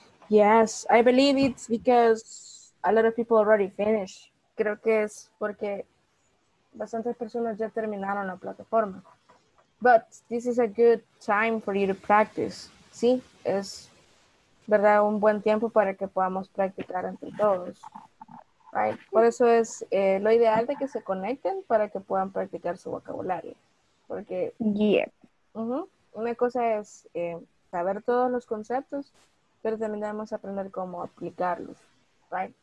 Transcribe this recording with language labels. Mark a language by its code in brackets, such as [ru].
[en] Yes, I believe it's because a lot of people already finished. [es] Creo que es porque bastantes personas ya terminaron la plataforma. [en] But this is a good time for you to practice. [es] Sí, es verdad un buen tiempo para que podamos practicar entre todos. [en] Right? [es] Por eso es lo ideal de que se conecten para que puedan practicar su vocabulario. Porque [en] yeah. [es] Una cosa es saber todos los conceptos, pero también debemos aprender cómo aplicarlos. [en] Right?